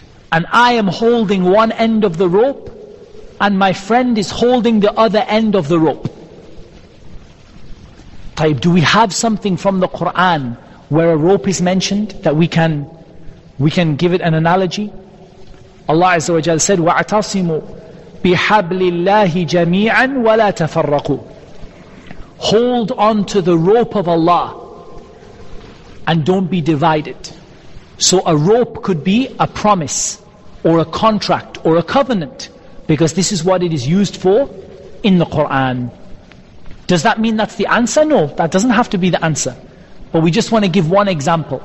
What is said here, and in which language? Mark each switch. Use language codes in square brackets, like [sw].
[en] And I am holding one end of the rope, and my friend is holding the other end of the rope. Taib, do we have something from the Quran where a rope is mentioned that we can give it an analogy? Allah Azza wa Jalla said, [ar] وَاعْتَصِمُوا بِحَبْلِ اللَّهِ جَمِيعًا وَلَا تَفَرَّقُوا. [en] Hold on to the rope of Allah and don't be divided. So a rope could be a promise, or a contract, or a covenant, because this is what it is used for in the Quran. Does that mean that's the answer? No, that doesn't have to be the answer. But we just want to give one example.